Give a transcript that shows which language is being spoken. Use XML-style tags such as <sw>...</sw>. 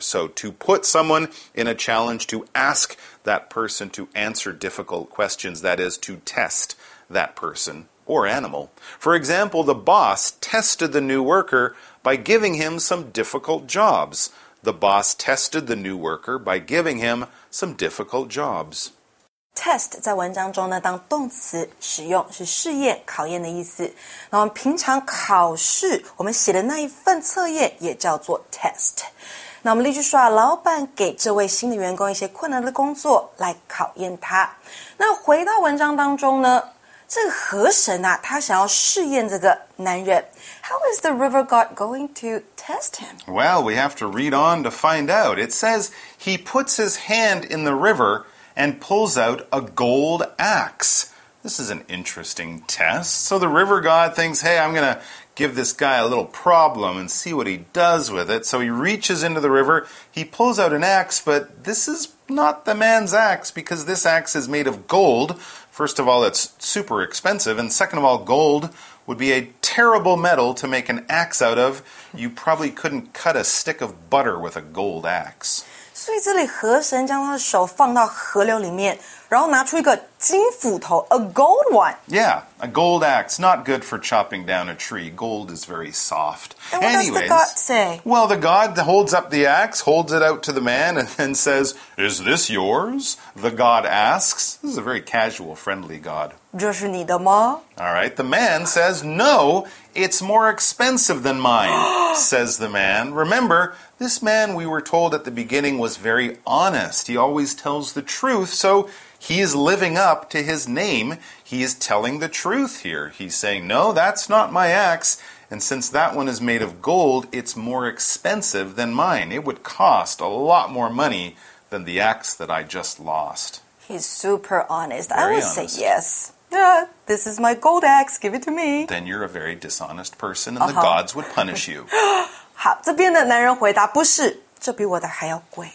<en>So to put someone in a challenge, to ask that person to answer difficult questions, that is to test that person or animal. For example, the boss tested the new worker by giving him some difficult jobs. The boss tested the new worker by giving him some difficult jobs.</en> <zh>Test 在文章中呢，当动词使用是试验、考验的意思。那我们平常考试，我们写的那一份测验也叫做 test。那我们例句说啊，老板给这位新的员工一些困难的工作来考验他。那回到文章当中呢，这个河神啊，他想要试验这个男人。</zh> <en>How is the river god going to test him? Well, we have to read on to find out. It says he puts his hand in the river and pulls out a gold axe. This is an interesting test. So the river god thinks, hey, I'm going to give this guy a little problem and see what he does with it. So he reaches into the river, he pulls out an axe, but this is not the man's axe because this axe is made of gold. First of all, it's super expensive, and second of all, gold would be a terrible metal to make an axe out of. You probably couldn't cut a stick of butter with a gold axe.</en> <zh>所以这里河神将他的手放到河流里面，然后拿出一个金斧头 ，</zh> <en>a gold one. Yeah, a gold axe, not good for chopping down a tree. Gold is very soft. And what does the god say? Well, the god holds up the axe, holds it out to the man, and then says, "Is this yours?" The god asks. This is a very casual, friendly god.</en> <zh>这是你的吗？</zh> <en>All right. The man says, "No, it's more expensive than mine." says the man. Remember, this man we were told at the beginning was very honest. He always tells the truth. So he is living up to his name. He is telling the truth here. He's saying, no, that's not my axe. And since that one is made of gold, it's more expensive than mine. It would cost a lot more money than the axe that I just lost. He's super honest. Very I would honest. Say yes. Yeah, this is my gold axe. Give it to me. Then you're a very dishonest person and the gods would punish you.</en> <zh>好，这边的男人回答不是，这比我的还要贵。</zh>